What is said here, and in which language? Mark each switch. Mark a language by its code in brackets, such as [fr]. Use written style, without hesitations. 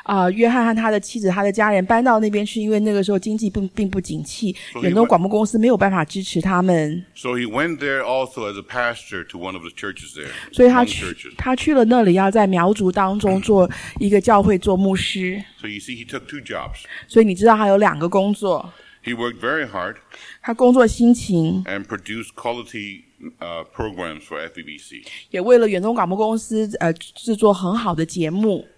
[zh] 约翰和他的妻子他的家人搬到那边去，因为那个时候经济并不景气，远东广播公司没有办法支持他们。 [en] So he went there also as a pastor to one of the churches there. [zh] 所以他去了那里，要在苗族当中做一个教会做牧师。 [en] So you see, he took two jobs. [zh] 所以你知道他有两个工作。 [en] He worked very hard. [zh] 他工作辛勤。 [en] And produced quality. Programs for FEBC. [zh] 也为了远东广播公司制作很好的节目。